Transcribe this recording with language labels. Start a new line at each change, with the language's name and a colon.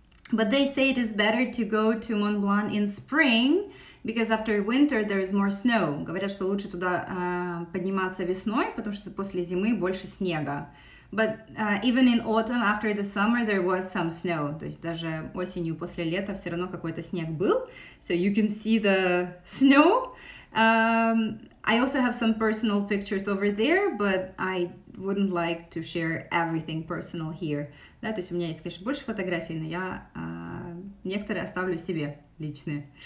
English: But they say it is better to go to Mont Blanc in spring, because after winter there is more snow.
Russian: Говорят, что лучше туда подниматься весной, потому что после зимы больше снега.
English: But even in autumn, after the summer, there was some snow.
Russian: То есть даже осенью после лета все равно какой-то снег был.
English: So you can see the snow. I also have some personal pictures over there, but I wouldn't like to share everything personal here.
Russian: Да, то есть у меня есть, конечно, больше фотографий, но я некоторые оставлю себе личные.